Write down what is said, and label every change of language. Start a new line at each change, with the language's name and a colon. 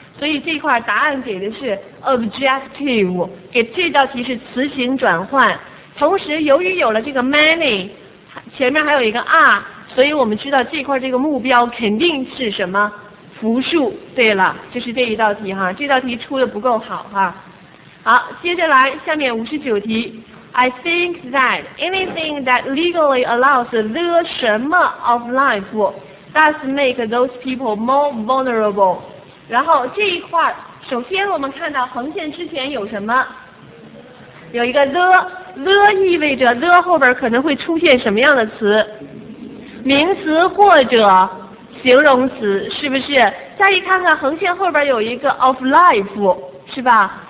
Chinese: 所以这块答案给的是 objective， 给这道题是词形转换。同时由于有了这个 many， 前面还有一个 are， 所以我们知道这块这个目标肯定是什么复数。对了，就是这一道题哈，这道题出的不够好哈。好，接着来下面59题。
English: I think that anything that legally allows the
Chinese: 什么
English: of life does make those people more vulnerable。
Chinese: 然后这一块首先我们看到横线之前有什么，有一个 the 意味着 the 后边可能会出现什么样的词，名词或者形容词，是不是？再一看看横线后边有一个 of life， 是吧？